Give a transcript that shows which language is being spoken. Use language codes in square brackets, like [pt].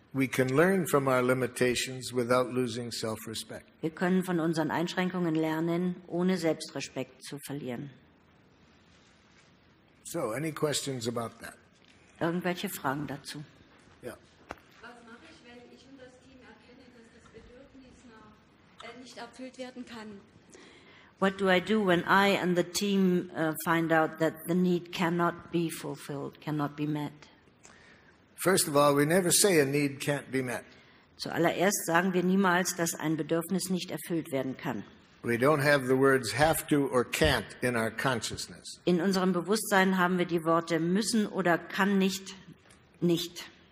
[en] We can learn from our limitations without losing self-respect. [de] Wir können von unseren Einschränkungen lernen, ohne Selbstrespekt zu verlieren. [en] So, any questions about that? [de] Irgendwelche Fragen dazu? Ja. Was mache ich, wenn ich und das Team erkennen, dass das Bedürfnis nicht erfüllt werden kann? [en] What do I do when I and the team find out that the need cannot be fulfilled, cannot be met? First of all, we never say a need can't be met. [de] Zuallererst sagen wir niemals, dass ein Bedürfnis nicht erfüllt werden kann. [en] We don't have the words have to or can't in our consciousness. [de] In unserem Bewusstsein haben wir die Worte müssen oder kann nicht, nicht.